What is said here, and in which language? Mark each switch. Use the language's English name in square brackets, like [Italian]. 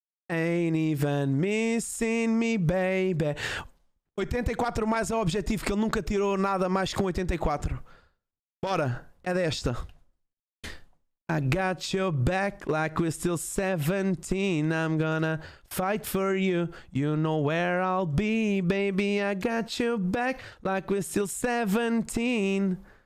[English] Ain't even missing me, baby. [Portuguese] 84 mais é o objetivo, que ele nunca tirou nada mais que um 84. Bora. É desta. [English] I got your back like we're still 17. I'm gonna fight for you. You know where I'll be, baby. I got your back like we're still 17.